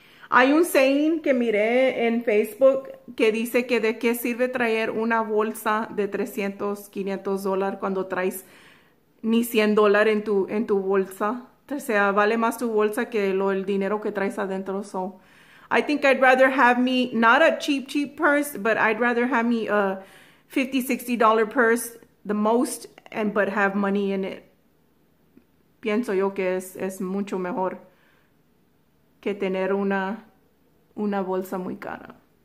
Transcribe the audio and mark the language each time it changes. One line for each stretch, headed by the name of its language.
Spanish: Hay un saying que miré en Facebook que dice que de qué sirve traer una bolsa de 300, $500 cuando traes ni $100 en tu bolsa. O sea, vale más tu bolsa que el dinero que traes adentro.
English: So, I think I'd rather have me, not a cheap, cheap purse, but I'd rather have me a $50, $60 purse the most, but have money in it.
Spanish: Pienso yo que es mucho mejor que tener una bolsa muy cara.